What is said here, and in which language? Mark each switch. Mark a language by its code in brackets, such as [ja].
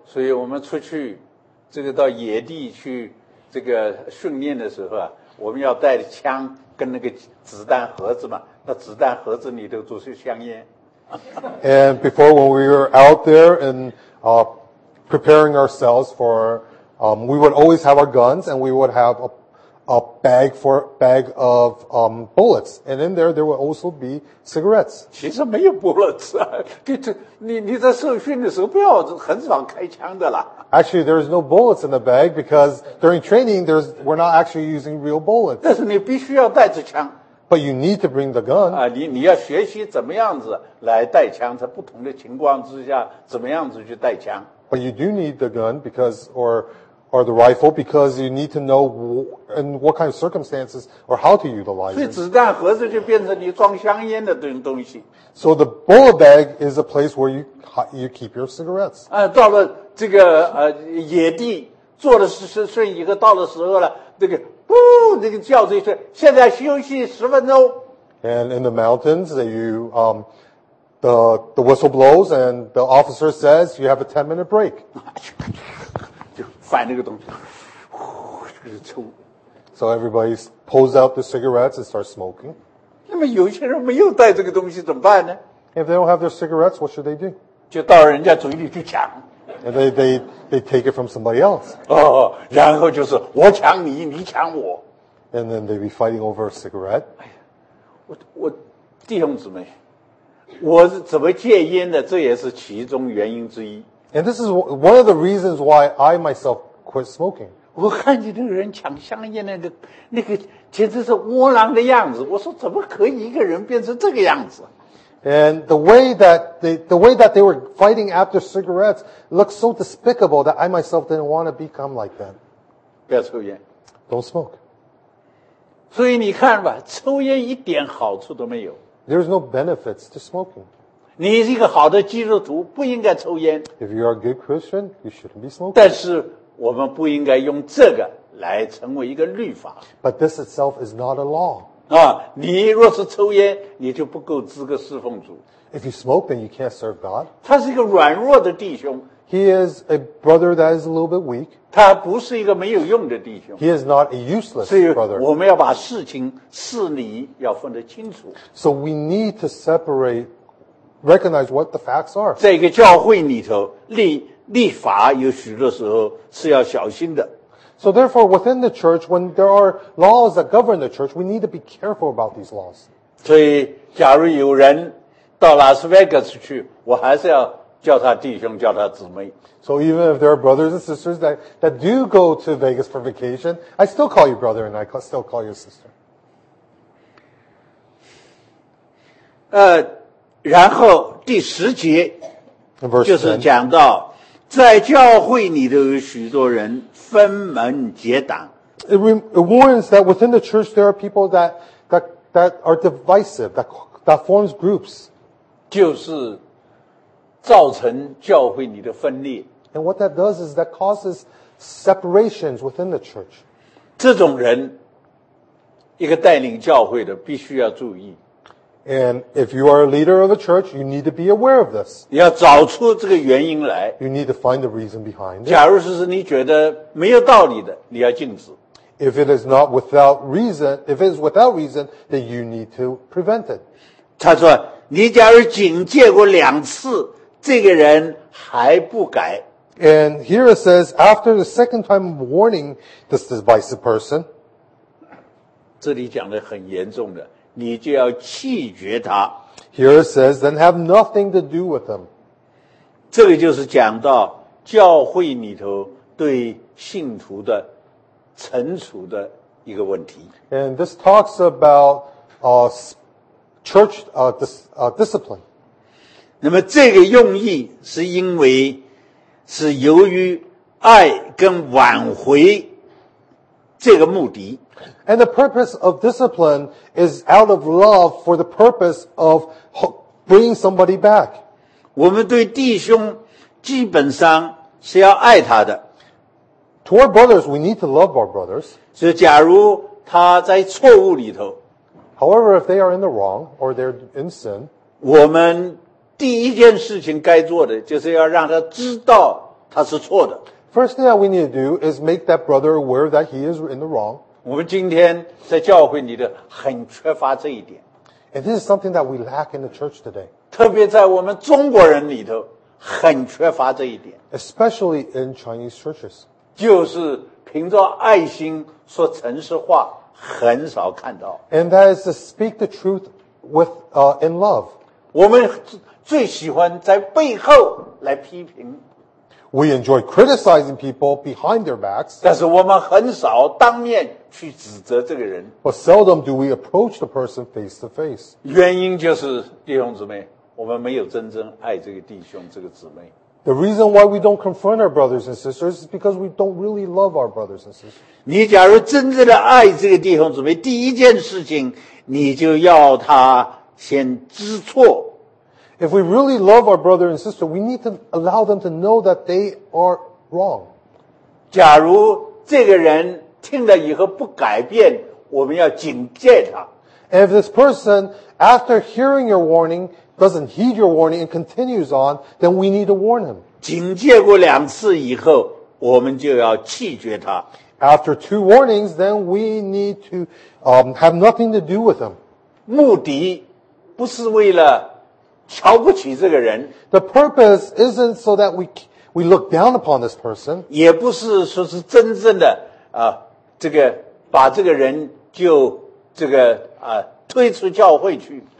[zh] 所以我们出去这个到野地去这个训练的时候啊，我们要带着枪跟那个子弹盒子嘛，那子弹盒子里头都是香烟。 [en] And before when we were out there and, preparing ourselves for,we would always have our guns and we would have a bag of, bullets. And in there would also be cigarettes. [zh] 其实没有 bullets. 你在受训的时候不要很少开枪的啦。 [en] Actually, there's no bullets in the bag because during training, we're not actually using real bullets. [zh] 但是你必须要带着枪。 [en] But you need to bring the gun. [zh] 啊你要学习怎么样子来带枪在不同的情况之下怎么样子去带枪。 [en] But you do need the gun because, or the rifle because you need to know in what kind of circumstances or how to utilize it. [zh] 所以子弹盒子就变成你装香烟的东西。 [en] So the bullet bag is a place where you keep your cigarettes. [zh] 到了这个野地做了睡一个到了时候了这个呜这个叫这一声现在休息十分钟。 [en] And in the mountains that you, the whistle blows and the officer says you have a 10-minute break. [zh] 反那个东西，呼，就是抽。 [en] So everybody pulls out the cigarettes and starts smoking. [zh] 那么有些人没有带这个东西怎么办呢 [en] ？If they don't have their cigarettes, what should they do? [zh] 就到人家嘴里去抢。 [en] And they take it from somebody else. [zh] 哦，然后就是我抢你，你抢我。 [en] And then they'd be fighting over a cigarette. 哎 [zh] 呀，我弟兄姊妹，我是怎么戒烟的？这也是其中原因之一。 [en] And this is one of the reasons why I myself quit smoking. [zh] 我看见那个人抢香烟那个简直是窝囊的样子。我说怎么可以一个人变成这个样子 [en] ？And the way that they were fighting after cigarettes looked so despicable that I myself didn't want to become like that. [zh] 不要抽烟。 [en] Don't smoke. [zh] 所以你看吧，抽烟一点好处都没有。 [en] There's no benefits to smoking. [zh] 你是一个好的基督徒，不应该抽烟。 [en] If you are a good Christian, you shouldn't be smoking. [zh] 但是我们不应该用这个来成为一个律法。 [en] But this itself is not a law. [zh] 你若是抽烟，你就不够资格侍奉主。 [en] If you smoke, then you can't serve God. [zh] 他是一个软弱的弟兄。 [en] He is a brother that is a little bit weak. [zh] 他不是一个没有用的弟兄。 [en] He is not a useless brother. [zh] 我们要把事情事理要分得清楚。 [en] So we need to separate. Recognize what the facts are. [zh] 在一个教会里头立法有许多时候是要小心的。 [en] So therefore, within the church, when there are laws that govern the church, we need to be careful about these laws. [zh] 所以假如有人到拉斯维加斯去我还是要叫他弟兄叫他姊妹。 [en] So even if there are brothers and sisters that do go to Vegas for vacation, I still call you brother and I still call you sister. [zh] 然后第十节就是讲到在教会里头有许多人分门结党。 [en] It warns that within the church there are people that are divisive, that forms groups. [zh] 就是造成教会里的分裂。 [en] And what that does is that causes separations within the church. [zh] 这种人一个带领教会的必须要注意。 [en] And if you are a leader of a church, you need to be aware of this. [zh] 要找出这个原因来。 [en] You need to find the reason behind it. [zh] 假如是你觉得没有道理的，你要禁止。 [en] If it is not without reason, if it is without reason, then you need to prevent it. [zh] 他说，你假如警戒过两次，这个人还不改， [en] And here it says, after the second time of warning this divisive person, [zh] 这里讲得很严重的，你就要弃绝他。 [en] Here it says, then have nothing to do with them. [zh] 这个就是讲到教会里头对信徒的惩处的一个问题。 [en] And this talks about church discipline. [zh] 那么这个用意是因为是由于爱跟挽回这个目的。 [en] And the purpose of discipline is out of love for the purpose of bringing somebody back. [zh] 我们对弟兄基本上是要爱他的。 [en] To our brothers, we need to love our brothers. [zh] 所以假如他在错误里头。 [en] However, if they are in the wrong or they're in sin, [zh] 我们第一件事情该做的就是要让他知道他是错的。 [en] First thing that we need to do is make that brother aware that he is in the wrong. [zh] 我们今天在教会里的很缺乏这一点。 [en] And this is something that we lack in the church today. [zh] 特别在我们中国人里头很缺乏这一点。 [en] Especially in Chinese churches. [zh] 就是凭着爱心说诚实话很少看到。 [en] And that is to speak the truth with, in love. [zh] 我们最喜欢在背后来批评。 [en] We enjoy criticizing people behind their backs. [zh] 但是我们很少当面去指责这个人。 [en] But seldom do we approach the person face to face. [zh] 原因就是弟兄姊妹，我们没有真正爱这个弟兄这个姊妹。 [en] The reason why we don't confront our brothers and sisters is because we don't really love our brothers and sisters. [zh] 你假如真正的爱这个弟兄姊妹，第一件事情你就要他先知错。 [en] If we really love our brother and sister, we need to allow them to know that they are wrong. [zh] 假如这个人听了以后不改变，我们要警戒他。 [en] And if this person, after hearing your warning, doesn't heed your warning and continues on, then we need to warn him. [zh] 警戒过两次以后，我们就要弃绝他。 [en] After two warnings, then we need to have nothing to do with him. [zh] 目的不是为了瞧不起这个人。 [en] The purpose isn't so that we look down upon this person. [zh] 也不是说是真正的这个把这个人就这个推出教会去。